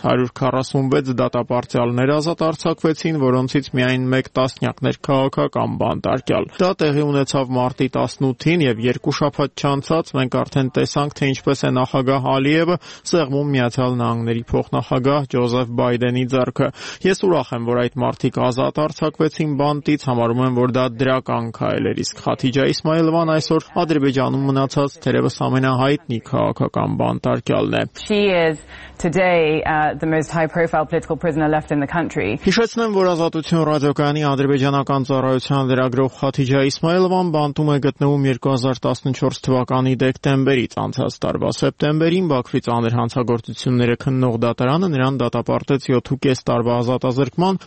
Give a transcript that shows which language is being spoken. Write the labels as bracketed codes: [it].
[hy] 146 դատապարտյալներ ազատ արձակվեցին, որոնցից միայն մեկ տասնյակներ քաղաքական բանտարկյալ։ Դա տեղի ունեցավ մարտի 18-ին, և երկու շաբաթ չանցած մենք արդեն տեսանք, թե ինչպես է նախագահ Ալիևը սեղմում Միացյալ Նահանգների փոխնախագահ Ջոզեֆ Բայդենի ձեռքը։ Ես ուրախ եմ, որ այդ մարտիկ ազատ արձակվեցին բանտից, համարում եմ, որ դա դրական քայլեր, իսկ Խաթիջա Իսմայելովան այսօր Ադրբեջանում մնացած թերևս ամենահայտնի քաղաքական բանտարկյալն է։ [en] Today, the most high-profile political prisoner left in the country. [hy] Հիշեցնեմ, որ Ազատություն ռադիոկայանի ադրբեջանական ծառայության լրագրող Խաթիջա Իսմայելովան բանտում է գտնվում 2014 թվականի դեկտեմբերից։ Անցած տարվա սեպտեմբերին Բաքվից անդր հանցագործությունները քննող դատարանը նրան դատապարտեց 7.5 տարվա ազատազրկման,